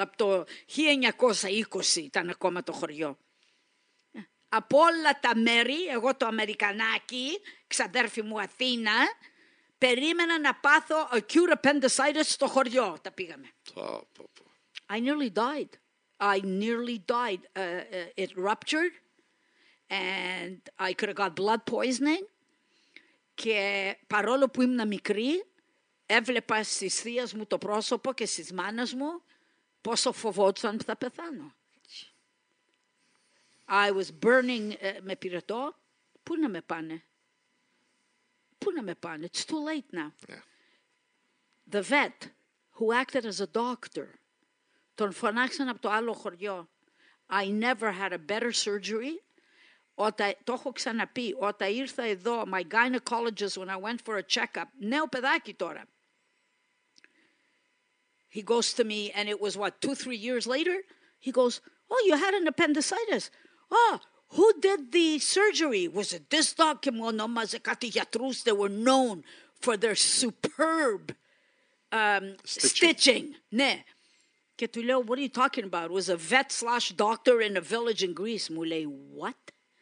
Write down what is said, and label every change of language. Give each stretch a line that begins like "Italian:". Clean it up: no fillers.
Greek: Από το 1920 ήταν ακόμα το χωριό. Από όλα τα μέρη, εγώ το Αμερικανάκι, ξαδέρφη μου Αθήνα, περίμενα να πάθω acute appendicitis στο χωριό. Τα πήγαμε.
English: I nearly died. It ruptured and I could have got blood poisoning.
Greek: Και παρόλο που ήμουν μικρή, έβλεπα στις θείες μου το πρόσωπο και στις μάνες μου πόσο φοβόντουσαν που θα πεθάνω.
English: I was burning,
Greek: με πυρετό. Πού να με πάνε?
English: It's too late now. Yeah. The vet who acted as a doctor,
Greek: τον φωνάξαν από το άλλο χωριό.
English: I never had a better surgery.
Greek: Το έχω ξαναπεί. Όταν ήρθα εδώ,
English: my gynecologist, when I went for a checkup,
Greek: νέο παιδάκι τώρα.
English: He goes to me, and it was, what, 2-3 years later? He goes, oh, you had an appendicitis. Oh, Who did the surgery? Was it this dog?
Greek: Και μου ονόμαζε κάτι γιατρούς.
English: They were known for their superb stitching.
Greek: Ναι. Και του λέω,
English: what are you talking about? Was a vet slash doctor in a village in Greece.
Greek: Μου λέει,
English: what?